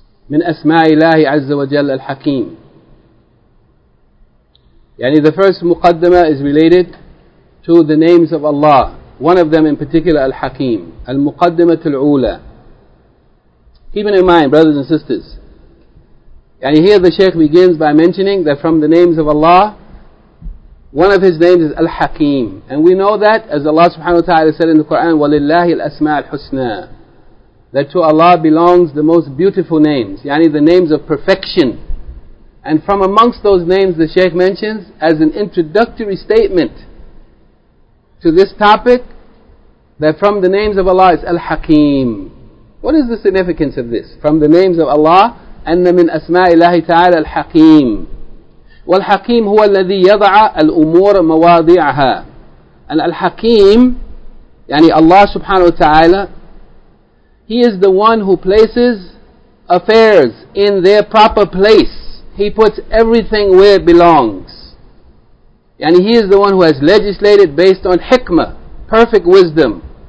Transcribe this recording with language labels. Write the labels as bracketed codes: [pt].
[ar] من أسماء الله عز وجل الحكيم. [en] يعني the first مقدمة is related to the names of Allah. One of them in particular, Al-Hakim. [ar] المقدمة الأولى. [en] Keep in mind, brothers and sisters. And here the Shaykh begins by mentioning that from the names of Allah, one of his names is Al-Hakim. And we know that, as Allah subhanahu wa ta'ala said in the Quran, [ar] وَلِلَّهِ الْأَسْمَاءِ الْحُسْنَى, [en] that to Allah belongs the most beautiful names, yani the names of perfection. And from amongst those names, the Shaykh mentions, as an introductory statement to this topic, that from the names of Allah is Al-Hakim. What is the significance of this? From the names of Allah, [ar] أن من أسماء الله تعالى الحكيم والحكيم هو الذي يضع الأمور مواضعها. [en] And [ar] الحكيم يعني الله سبحانه وتعالى, [en] He is the one who places affairs in their proper place. He puts everything where it belongs. يعني He is the one who has legislated based on hikmah, perfect wisdom.